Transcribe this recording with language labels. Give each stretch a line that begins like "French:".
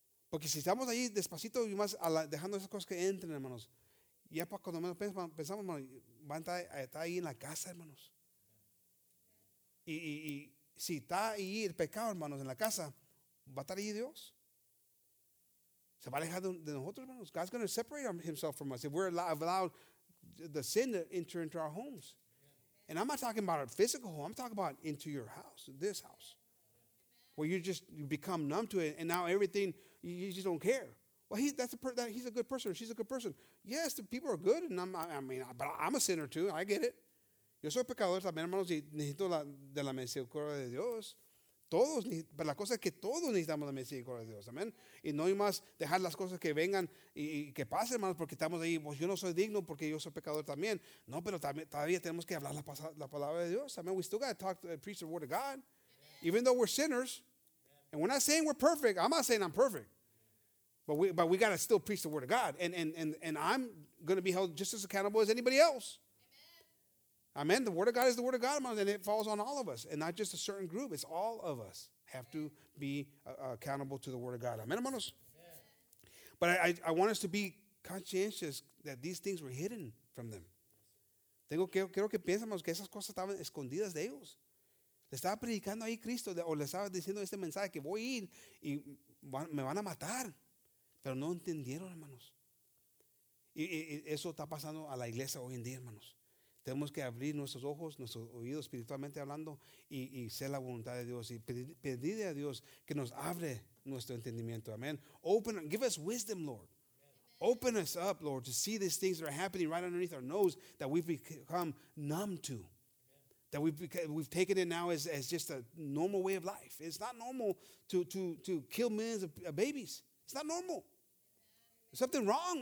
Spanish: Porque si estamos ahí despacito y más dejando esas cosas que entren, hermanos, ya para cuando menos pensamos, hermanos, van a estar ahí en la casa, hermanos. Y si está ahí el pecado, hermanos, en la casa, ¿va a estar ahí Dios? ¿Se va a alejar de nosotros, hermanos?
English: God's going to separate himself from us if we're allowed the sin to enter into our homes. And I'm not talking about a physical home. I'm talking about into your house, this house, where you become numb to it, and now everything, you just don't care. Well, he's a good person, or she's a good person. Yes, the people are good, and but I'm a sinner too. I get it.
Spanish: Yo soy pecador también, hermanos, y necesito de la misericordia de Dios. Todos, pero la cosa es que todos necesitamos la misericordia de Dios, amén. Y no hay más dejar las cosas que vengan y que pasen, hermanos, porque estamos ahí, pues yo no soy digno porque yo soy pecador también. No, pero también, todavía tenemos que hablar la palabra de Dios, amén.
English: We still got to talk to preach the word of God. Amen. Even though we're sinners, amen. And we're not saying we're perfect. I'm not saying I'm perfect. But we got to still preach the word of God. And I'm going to be held just as accountable as anybody else. Amen. The word of God is the word of God, and it falls on all of us, and not just a certain group. It's all of us have to be accountable to the word of God. Amen, hermanos. But I want us to be conscientious that these things were hidden from them.
Spanish: Tengo que pensamos que esas cosas estaban escondidas de ellos. Le estaba predicando ahí Cristo, o le estaba diciendo este mensaje que voy a ir y me van a matar, pero no entendieron, hermanos. Y eso está pasando a la iglesia hoy en día, hermanos. Tenemos que abrir nuestros ojos, nuestros oídos espiritualmente hablando y ser la voluntad de Dios y pedirle a Dios que nos abre nuestro entendimiento.
English: Amen. Open, give us wisdom, Lord. Amen. Open us up, Lord, to see these things that are happening right underneath our nose that we've become numb to. Amen. That we've taken it now as just a normal way of life. It's not normal to kill millions of babies. It's not normal. Amen. Something wrong.